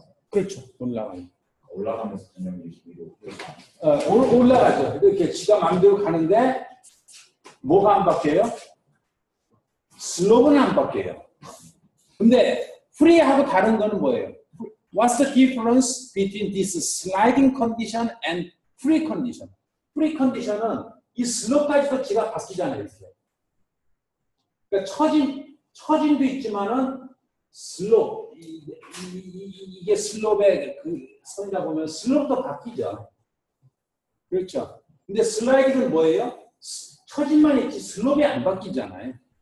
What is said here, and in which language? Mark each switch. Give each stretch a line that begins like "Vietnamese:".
Korean: 그렇죠. 올라가요. 올라가면서 그냥 위로. 올라가죠. 이렇게 지가 마음대로 가는데. 뭐가 안 바뀌어요? 슬로우는 안 바뀌어요. 근데 프리하고 다른 거는 뭐예요?
English: What's the difference between this sliding condition and free condition?
Korean: Free condition은 이 슬로우까지도 지가 바뀌잖아요. 그러니까 처짐도 있지만은 슬로우 이게 슬로우의 그 선이다 보면 슬로우도 바뀌죠. 그렇죠? 근데 슬라이딩은 뭐예요? 처짐만 있지 슬롭이 안 바뀌잖아요.